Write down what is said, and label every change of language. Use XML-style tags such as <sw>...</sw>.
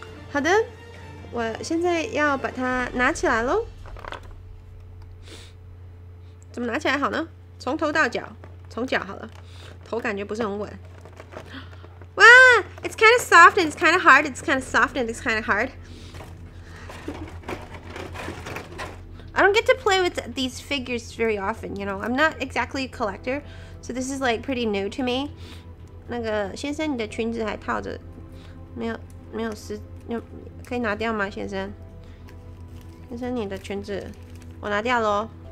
<zh>好的，我现在要把它拿起来喽。怎么拿起来好呢？从头到脚，从脚好了，头感觉不是很稳。</zh> <en>哇 ，It's kind of soft and it's kind of hard. It's kind of soft and it's kind of hard. I don't get to play with these figures very often, you know. I'm not exactly a collector, so this is like pretty new to me.</en> <zh>那个先生，你的裙子还套着，没有撕，可以拿掉吗，先生？先生，你的裙子，我拿掉喽。</zh>